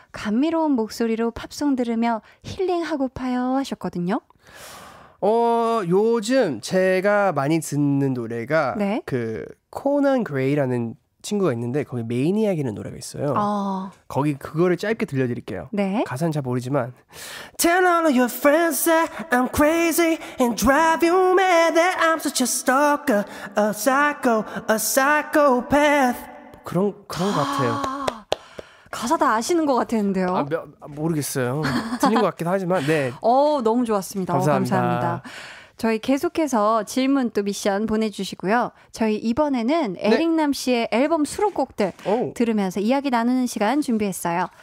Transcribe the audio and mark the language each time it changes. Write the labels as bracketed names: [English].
[Korean] 감미로운 목소리로 팝송 들으며 힐링하고파요 하셨거든요. 요즘 제가 많이 듣는 노래가 네? 그 코난 그레이라는 친구가 있는데 거기 메이니악이라는 노래가 있어요. 거기 그거를 짧게 들려드릴게요. 네? 가사는 잘 모르지만 [English] Tell all your friends that I'm crazy and drive you mad that I'm such a stalker a psycho a psychopath [Korean] 그런 것 같아요. 가사 다 아시는 것 같았는데요. 모르겠어요. 틀린 것 같기도 하지만 네. 너무 좋았습니다. 감사합니다. 저희 계속해서 질문 또 미션 보내주시고요. 저희 이번에는 네. 에릭남 씨의 앨범 수록곡들 오. 들으면서 이야기 나누는 시간 준비했어요.